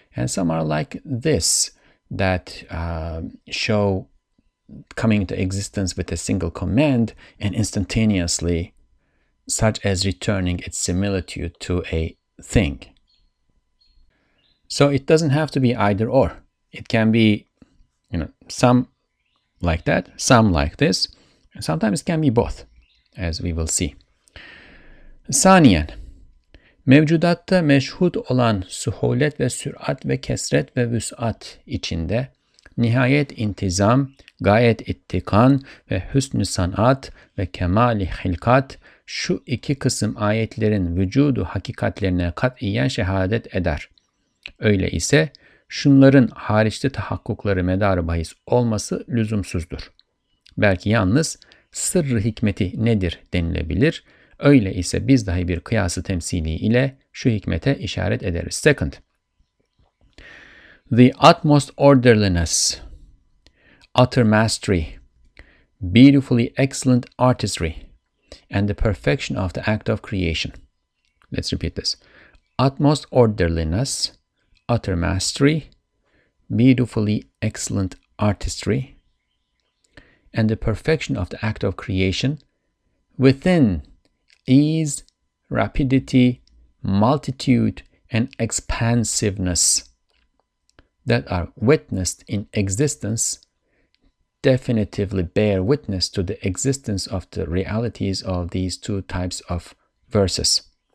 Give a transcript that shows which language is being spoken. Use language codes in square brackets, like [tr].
[en] And some are like this, that show coming into existence with a single command and instantaneously, such as returning its similitude to a thing. So it doesn't have to be either or. It can be, some like that, some like this. Sometimes it can be both, as we will see. [tr] Saniyen, mevcudatta meşhud olan suhulet ve sürat ve kesret ve vüs'at içinde nihayet intizam, gayet ittikan ve hüsnü sanat ve kemali hilkat şu iki kısım ayetlerin vücudu hakikatlerine katiyen şehadet eder. Öyle ise şunların hariçli tahakkukları medar-ı bahis olması lüzumsuzdur. Belki yalnız sırr-ı hikmeti nedir denilebilir. Öyle ise biz dahi bir kıyası temsili ile şu hikmete işaret ederiz. [en] Second, the utmost orderliness, utter mastery, beautifully excellent artistry, and the perfection of the act of creation. Let's repeat this. Utmost orderliness, utter mastery, beautifully excellent artistry, and the perfection of the act of creation within ease, rapidity, multitude, and expansiveness that are witnessed in existence definitively bear witness to the existence of the realities of these two types of verses.